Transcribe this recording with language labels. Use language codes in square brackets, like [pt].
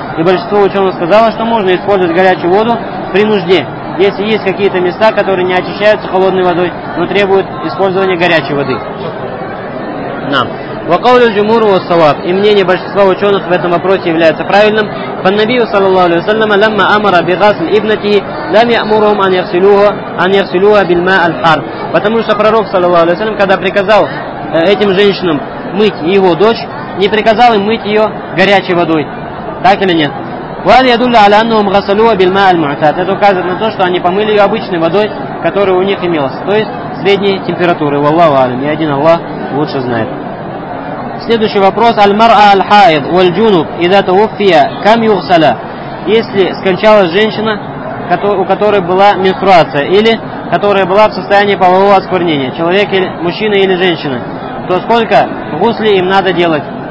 [ru] И большинство ученых сказало, что можно использовать горячую воду при нужде, если есть какие-то места, которые не очищаются холодной водой, но требуют использования горячей воды. Нам. [ar] Вакалу джумуру ас-саваб. [ru] И мнение большинства ученых в этом вопросе является правильным. [ar] فالنبي صلى الله عليه وسلم لما أمر بغسل ابنته لم يأمرهم أن يغسلوها بالماء الحار. [ru] Потому что пророк [ar] صلى الله عليه وسلم, [ru] когда приказал этим женщинам мыть его дочь, не приказал им мыть ее горячей водой. Так или нет? [ar] وهذا يدل على أنهم غسلوها بالماء المعتاد. [ru] Это указывает на то, что они помыли ее обычной водой, которая у них имелась, то есть средней температуры. [ar] والله أعلم. [ru] И один Аллах лучше знает. Следующий вопрос. [ar] Аль-мар'а аль-хайд валь-джунуб иза тавуффия кам югсала? [ru] Если скончалась женщина, у которой была менструация, или которая была в состоянии полового осквернения, человек или мужчина или женщина, то сколько гусли им надо делать?